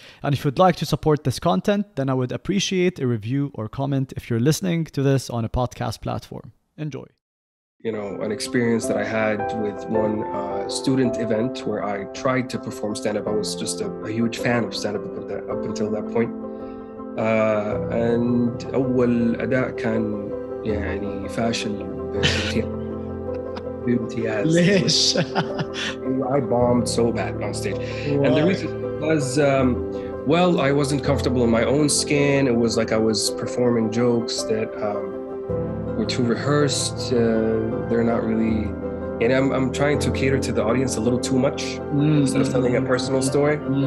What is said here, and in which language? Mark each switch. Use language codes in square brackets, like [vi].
[en] And if you'd like to support this content, then I would appreciate a review or comment if you're listening to this on a podcast platform. Enjoy. You know, an experience that I had with one student event where I tried to perform stand-up. I was just a huge fan of stand-up up until that point. [ar] And أول أداء كان يعني فاشل بامتياز. ليش؟ [en] I bombed so bad on stage. Why? And the reason was, I wasn't comfortable in my own skin. It was like I was performing jokes that were too rehearsed. They're not really, and I'm trying to cater to the audience a little too much instead of telling a personal story.